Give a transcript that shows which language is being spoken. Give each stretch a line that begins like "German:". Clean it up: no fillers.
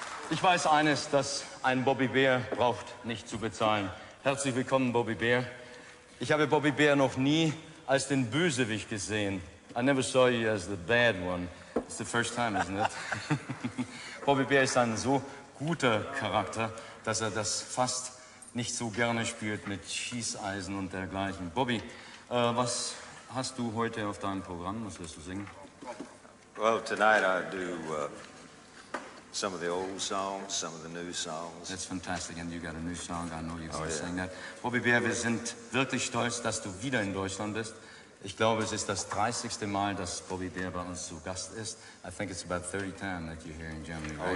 German: Ich weiß eines, dass ein Bobby Bear braucht nicht zu bezahlen. Herzlich willkommen, Bobby Bear. Ich habe Bobby Bear noch nie als den Bösewicht gesehen.
English: I never saw you as the bad one. It's the first time, isn't it?
German: Bobby Bear ist ein so guter Charakter, dass er das fast nicht so gerne spielt mit Schießeisen und dergleichen. Bobby, was hast du heute auf deinem Programm? Was wirst du singen?
English: Well, tonight I do some of the old songs, some of the new songs. That's fantastic, and you got a new song. I know you're going to sing that.
German: Bobby Bear, wir sind wirklich stolz, dass du wieder in Deutschland bist. Ich glaube, es ist das 30. Mal, dass Bobby Bear bei uns zu Gast ist. I think it's about 30 times that you're here in Germany, right?